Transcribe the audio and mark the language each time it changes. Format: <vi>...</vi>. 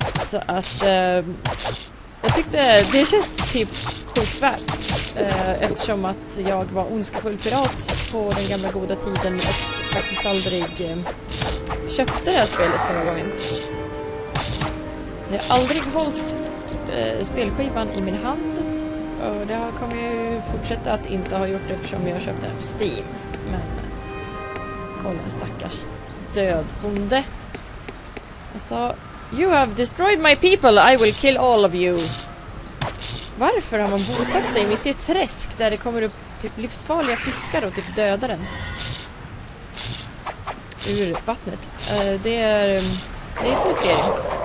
<sv>Så att jag tyckte det känns typ sjukt värt eftersom att jag var ondskefull pirat på den gamla goda tiden och faktiskt aldrig köpte det här spelet förra gången. Jag har aldrig hållit spelskivan i min hand och det kommer ju fortsätta att inte ha gjort eftersom jag köpte det på Steam. Men kolla, stackars dödbonde. Alltså,</sv> <en>you have destroyed my people, I will kill all of you.</en> <sv>Varför har man bosatt sig mitt i ett träsk där det kommer upp typ livsfarliga fiskar och typ dödar den? Ur vattnet. Det är ett mysterium.</sv>